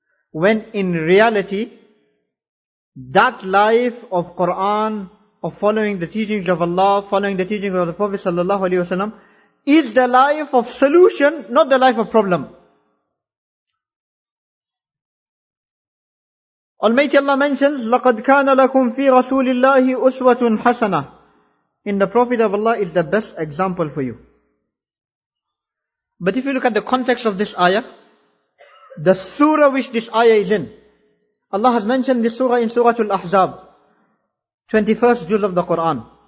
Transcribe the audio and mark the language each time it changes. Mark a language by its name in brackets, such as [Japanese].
[English] When in reality, that life of Quran, of following the teachings of Allah, following the teachings of the Prophet sallallahu alaihi wasallam, is the life of solution, not the life of problem. Almighty Allah mentions, [Arabic] لَقَدْ كَانَ لَكُمْ فِي رَسُولِ اللَّهِ أُسْوَةٌ حَسَنَةٌ. [English] In the Prophet of Allah is the best example for you. But if you look at the context of this ayah, the surah which this ayah is in, Allah has mentioned this surah in Surah Al-Ahzab, 21st juz of the Quran.